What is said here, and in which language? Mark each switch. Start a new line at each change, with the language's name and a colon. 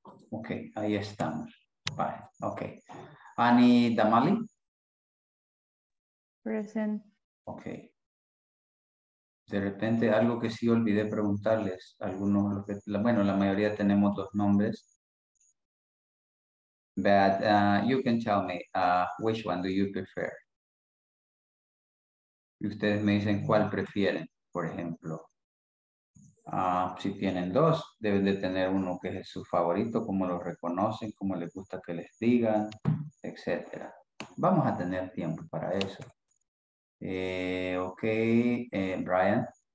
Spanish: Ok, ahí estamos. Vale, ok. Ani Damali.
English: Present. Ok.
Spanish: De repente, algo que sí olvidé preguntarles, algunos, bueno, la mayoría tenemos dos nombres.
English: But you can tell me, which one do you prefer?
Spanish: Y ustedes me dicen cuál prefieren, por ejemplo. Si tienen dos, deben de tener uno que es su favorito, cómo lo reconocen, cómo les gusta que les digan, etc. Vamos a tener tiempo para eso. Okay, Brian.